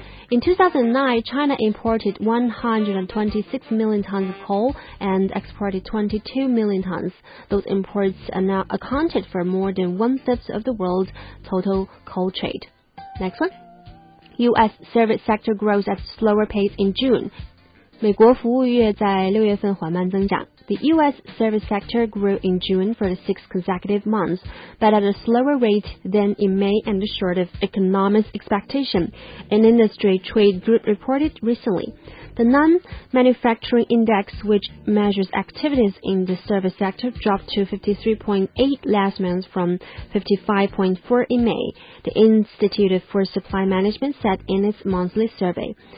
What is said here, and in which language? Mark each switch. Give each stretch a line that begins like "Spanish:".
English: In 2009, China imported 126 million tons of coal and exported 22 million tons. Those imports are now accounted for more than one-fifth of the world's total coal trade. Next one. U.S. service sector grows at a slower pace in June.
Chinese: 美国服务业在六月份缓慢增长。
English: The U.S. service sector grew in June for the 6th consecutive month, but at a slower rate than in May and short of economists' expectation, an industry trade group reported recently. The non-manufacturing index, which measures activities in the service sector, dropped to 53.8 last month from 55.4 in May, the Institute for Supply Management said in its monthly survey.